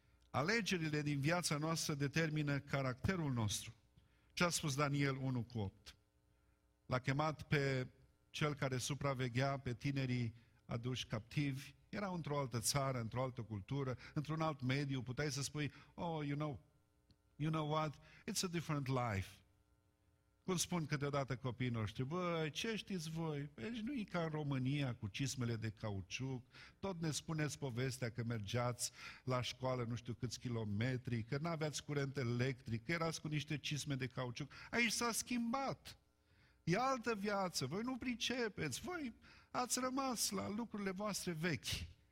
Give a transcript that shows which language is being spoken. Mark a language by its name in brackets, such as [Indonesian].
[Romanian] Alegerile din viața noastră determină caracterul nostru. Ce a spus Daniel 1:8? L-a chemat pe cel care supraveghea pe tinerii aduși captivi. Era într-o altă țară, într-o altă cultură, într-un alt mediu. Puteai să spui, [English] oh, you know what, it's a different life. [Romanian] Cum spun câteodată copiii noștri, băi, ce știți voi? Deci nu e ca în România cu cismele de cauciuc, tot ne spuneți povestea că mergeați la școală nu știu câți kilometri, că n-aveați curent electric, că erați cu niște cisme de cauciuc. Aici s-a schimbat. E altă viață, voi nu pricepeți, voi ați rămas la lucrurile voastre vechi.